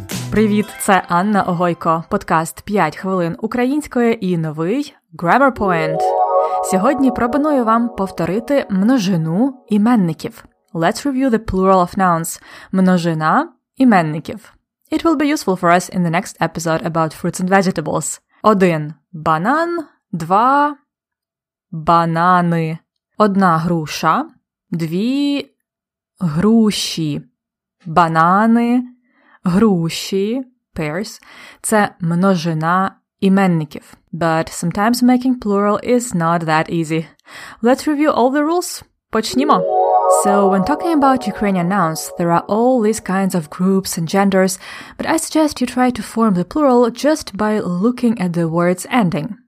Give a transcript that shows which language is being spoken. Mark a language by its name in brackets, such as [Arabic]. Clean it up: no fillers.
[Ukrainian] Привіт, це Анна Огойко, подкаст 5 хвилин української і новий Grammar Point. Сьогодні пропоную вам повторити множину іменників. [English] Let's review the plural of nouns – [Ukrainian] множина іменників. [English] It will be useful for us in the next episode about fruits and vegetables. [Ukrainian] Один – банан, два – банани. Одна груша, дві груші, банани, груші, pears. Це множина іменників. [English] But sometimes making plural is not that easy. Let's review all the rules. [Ukrainian] Почнімо! [English] So, when talking about Ukrainian nouns, there are all these kinds of groups and genders, but I suggest you try to form the plural just by looking at the word's ending.